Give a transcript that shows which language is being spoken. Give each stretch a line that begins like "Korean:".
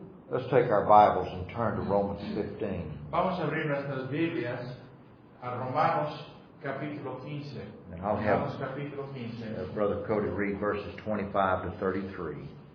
English: Let's take our Bibles and turn to Romans 15.
Spanish: Vamos a abrir nuestras Biblias a Romanos capítulo 15.
English: And I'll have Brother Cody read verses 25 to 33.